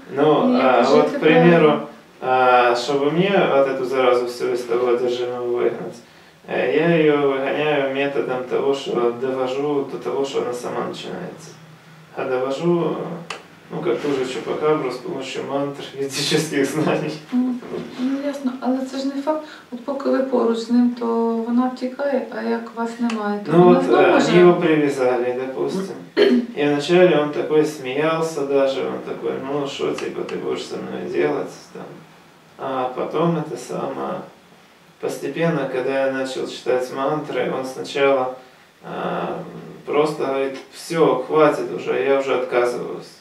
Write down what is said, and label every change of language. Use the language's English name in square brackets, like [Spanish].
[Russian] Ну, вот к примеру, чтобы мне от эту заразу все из того одержимого выгнать, я ее выгоняю методом того, что довожу до того, что она сама начинается. А довожу, ну, как ту же чупакабру, с помощью мантр ведических знаний. [Ukrainian] Ну, ясно. Але це ж не факт. От поки ви поруч з ним, то вона втікає, а як вас немає, то ну, вона знову живе. Ну, от його прив'язали, допустим. [Russian] И вначале он такой смеялся даже, он такой, ну что, типа, ты будешь со мной делать там. А потом это самое, постепенно, когда я начал читать мантры, он сначала просто говорит, все, хватит уже, я уже отказываюсь.